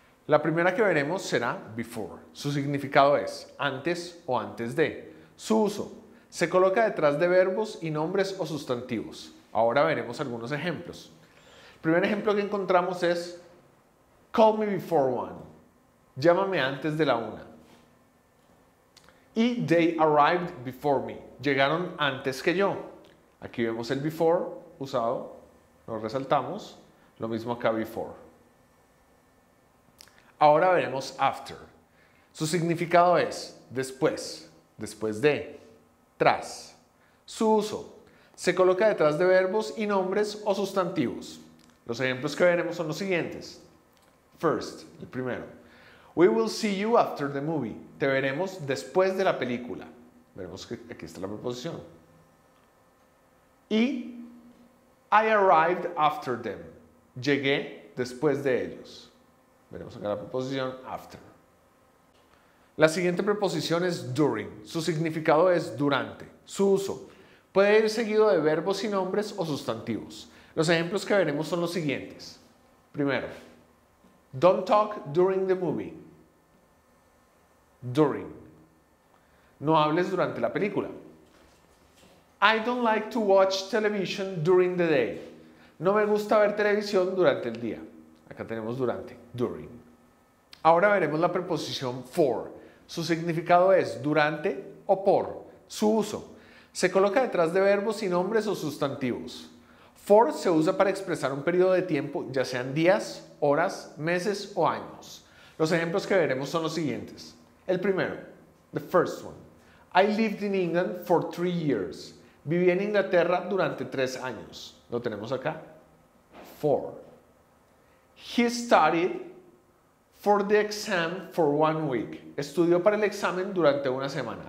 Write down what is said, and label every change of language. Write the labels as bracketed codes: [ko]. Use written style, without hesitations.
[es] La primera que veremos será before. Su significado es antes o antes de. Su uso: se coloca detrás de verbos y nombres o sustantivos. Ahora veremos algunos ejemplos. El primer ejemplo que encontramos es [en] call me before one. [es] Llámame antes de la una. [en] Y they arrived before me. [es] Llegaron antes que yo. Aquí vemos el before usado. Lo resaltamos. Lo mismo acá before. Ahora veremos after. Su significado es después, después de, tras. Su uso: se coloca detrás de verbos y nombres o sustantivos. Los ejemplos que veremos son los siguientes. [en] First, [es] el primero. [en] We will see you after the movie. [es] Te veremos después de la película. Veremos que aquí está la preposición. Y [en] I arrived after them. [es] Llegué después de ellos. Veremos acá la preposición after. La siguiente preposición es during. Su significado es durante. Su uso: puede ir seguido de verbos y nombres o sustantivos. Los ejemplos que veremos son los siguientes. [en] Primero, don't talk during the movie. During. [es] No hables durante la película. [en] I don't like to watch television during the day. [es] No me gusta ver televisión durante el día. Acá tenemos durante, during. Ahora veremos la preposición for. Su significado es durante o por. Su uso: se coloca detrás de verbos y nombres o sustantivos. For se usa para expresar un periodo de tiempo, ya sean días, horas, meses o años. Los ejemplos que veremos son los siguientes. El primero, [en] the first one. I lived in England for 3 years. [es] Viví en Inglaterra durante 3 años. Lo tenemos acá, for. [en] He studied for the exam for 1 week. [es] Estudió para el examen durante una semana.